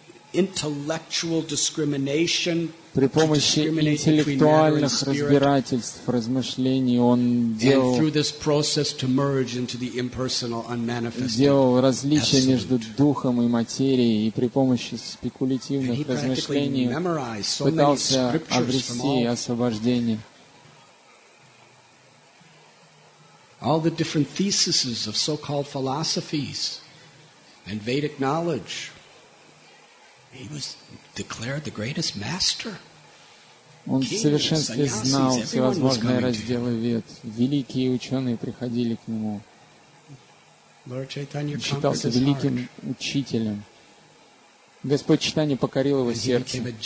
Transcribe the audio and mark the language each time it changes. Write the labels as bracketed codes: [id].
[ru] При помощи интеллектуальных разбирательств, размышлений он делал различия между духом и материей, и при помощи спекулятивных размышлений пытался обрести освобождение. [en] All the different theses of so-called philosophies and Vedic knowledge. He was declared the greatest master. [ru] Он в совершенстве знал всевозможные разделы вед. Великие ученые приходили к нему. Он считался великим учителем. Господь Чайтанья покорил его сердце.